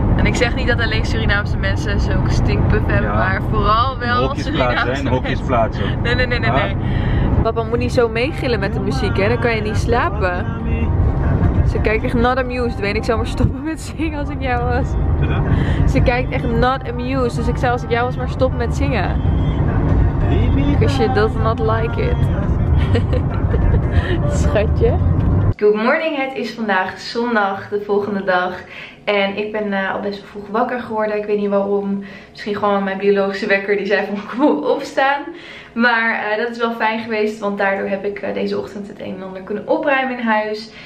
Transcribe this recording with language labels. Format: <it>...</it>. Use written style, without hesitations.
<nl>En ik zeg niet dat alleen Surinaamse mensen zulke stinkpuffen hebben, maar vooral wel Surinaamse mensen. Hokjes plaatsen. Nee. papa moet niet zo meegillen met de muziek, hè? Dan kan je niet slapen. Ze kijkt echt not amused. Weet ik, zou maar stoppen met zingen als ik jou was. Ze kijkt echt not amused. Dus ik zou als ik jou was maar stoppen met zingen.</nl> <en>Because she does not like it.</en> <nl>Schatje.</nl> <en>Good morning,</en> <nl>het is vandaag zondag, de volgende dag. En ik ben al best wel vroeg wakker geworden. Ik weet niet waarom. Misschien gewoon mijn biologische wekker die zei van kom opstaan. Maar dat is wel fijn geweest, want daardoor heb ik deze ochtend het een en ander kunnen opruimen in huis.</nl>